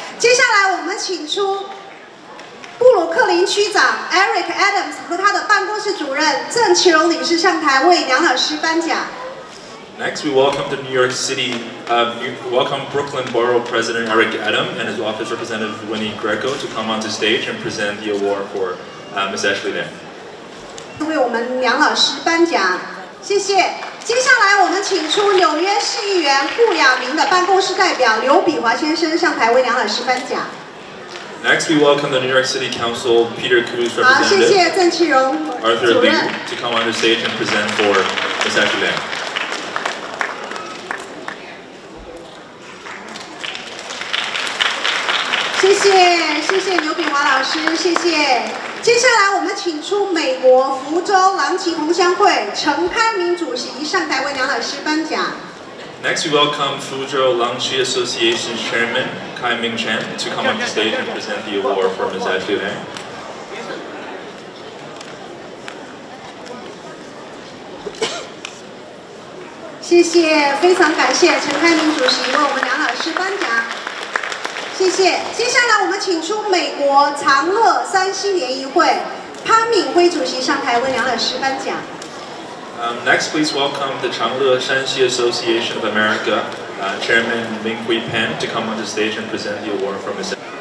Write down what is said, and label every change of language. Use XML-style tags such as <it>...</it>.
<zh>接下来我们请出布鲁克林区长 Eric Adams 和他的办公室主任郑其荣女士上台为良好师颁奖。</zh> <en>Next, we welcome to New York City, welcome Brooklyn Borough President Eric Adams and his office representative Winnie Greco to come onto stage and present the award for Ms. Ashley Lim.</en> <zh>为我们良好师颁奖，谢谢。接下来我们请出纽约市议员顾亚明的办公室代表刘比华先生上台为梁老师颁奖。</zh> <en>Next, we welcome the New York City Council Peter Cruz representative.</en> <zh>好，谢谢郑其荣</zh> <en>Arthur Lee to come on the stage and present for Ms. Ashley Lim.</en> <zh>谢谢，谢谢刘比华老师，谢谢。接下来我们请出美国福州狼旗同乡会陈开明主席上台为梁老师颁奖。</zh> <en>Next, we welcome Fuzhou Langqi Association Chairman Kai Ming Chan to come on the stage and present the award for Ms. Ashley Lim.</en> <zh>谢谢，非常感谢陈开明主席为我们梁老师颁奖。谢谢。接下来我们请出美国长乐三星联谊会潘敏辉主席上台为梁老师颁奖。</zh> <en>Next, please welcome the Changle Shanxi Association of America, Chairman Ming Hui Pan, to come on the stage and present the award from his.</en>